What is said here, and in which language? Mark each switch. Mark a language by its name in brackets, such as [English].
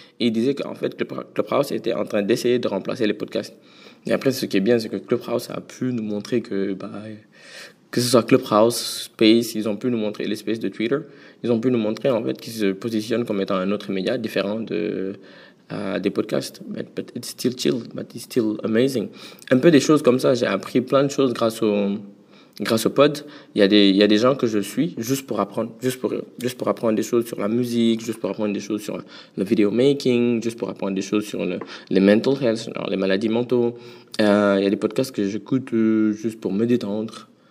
[French] Et il disait qu'en fait, Clubhouse était en train d'essayer de remplacer les podcasts. Et après, ce qui est bien, c'est que Clubhouse a pu nous montrer que, bah, que ce soit Clubhouse, Space, ils ont pu nous montrer l'espace de Twitter. Ils ont pu nous montrer, en fait, qu'ils se positionnent comme étant un autre média différent des podcasts. [English] But it's still chill, but it's still amazing. [French] Un peu des choses comme ça, j'ai appris plein de choses grâce au pod, il y a des gens que je suis juste pour apprendre, juste pour apprendre des choses sur la musique, juste pour apprendre des choses sur le video making, juste pour apprendre des choses sur les mental health, alors les maladies mentales. Il y a des podcasts que j'écoute juste pour me détendre.